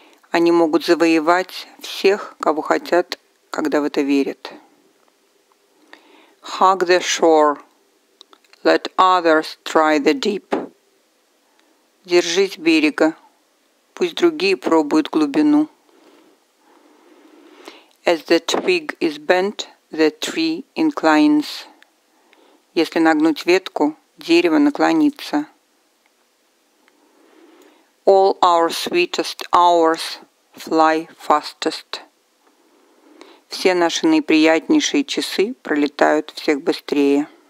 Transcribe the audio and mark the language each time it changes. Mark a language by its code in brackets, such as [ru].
[ru] Они могут завоевать всех, кого хотят, когда в это верят. [en] Hug the shore. Let others try the deep. [ru] Держись берега, пусть другие пробуют глубину. [en] As the twig is bent, the tree inclines. [ru] Если нагнуть ветку, дерево наклонится. [en] All our sweetest hours fly fastest. [ru] Все наши наиприятнейшие часы пролетают всех быстрее.